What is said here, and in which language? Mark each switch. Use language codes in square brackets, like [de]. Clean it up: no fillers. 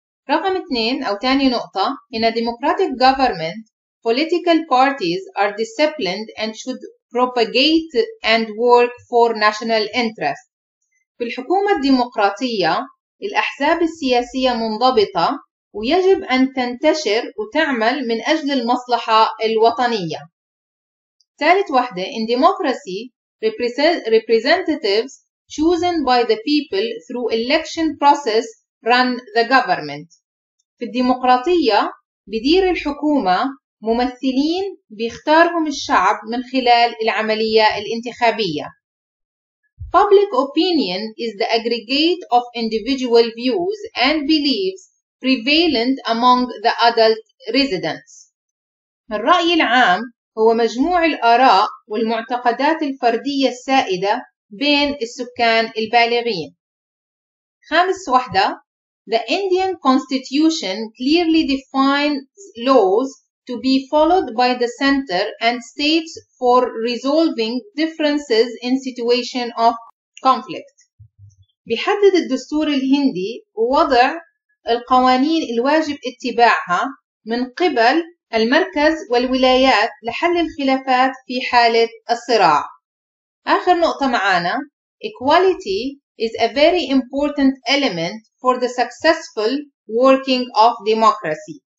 [ar] رقم اثنين أو تاني نقطة: [en] In a democratic government, political parties are disciplined and should propagate and work for national interest. [ar] في الحكومة الديمقراطية الأحزاب السياسية منضبطة ويجب أن تنتشر وتعمل من أجل المصلحة الوطنية. ثالث واحدة: [en] In democracy, representatives chosen by the people through election process run the government. [ar] في الديمقراطية بدير الحكومة ممثلين بيختارهم الشعب من خلال العملية الانتخابية. [en] Public opinion is the aggregate of individual views and beliefs prevalent among the adult residents. [ar] الرأي العام هو مجموع الآراء والمعتقدات الفردية السائدة بين السكان البالغين. خامس وحدة: [en] The Indian Constitution clearly defines laws to be followed by the center and states for resolving differences in situation of conflict. [ar] بيحدد الدستور الهندي وضع القوانين الواجب اتباعها من قبل المركز والولايات لحل الخلافات في حالة الصراع. آخر نقطة معانا, [en] equality is a very important element for the successful working of democracy.